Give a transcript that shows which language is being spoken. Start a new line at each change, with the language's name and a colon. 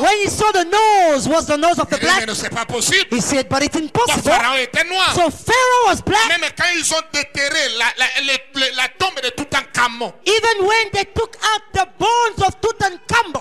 English: When he saw the nose was the nose of the black.
French: Il dit, mais c'est pas possible.
English: He said, but it's impossible.
French: Pharaon était noir.
English: So Pharaoh was black.
French: Même quand ils ont déterré la tombe de Toutankhamon.
English: Even when they took out the bones of Tutankhamon.